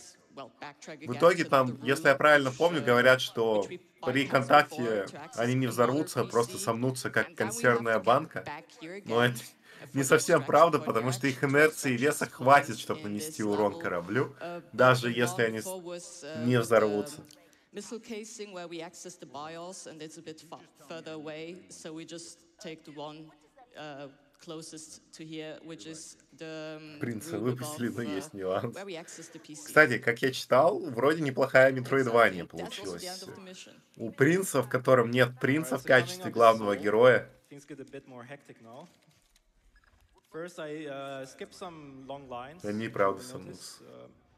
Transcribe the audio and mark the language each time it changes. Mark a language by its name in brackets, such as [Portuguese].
[Russian] В итоге там, если я правильно помню, говорят, что при контакте они не взорвутся, просто сомнутся, как консервная банка. Но это не совсем правда, потому что их инерции и веса хватит, чтобы нанести урон кораблю, даже если они не взорвутся. [English] Missile casing, where we access the BIOS, and it's a bit further away, so we just take the one closest to here, which is the [Russian] Принца выпустили, но есть нюанс. Кстати, как я читал, вроде неплохая Метроидвания получилась. У Принца, в котором нет Принца в качестве главного героя. Они, правда, сомнутся.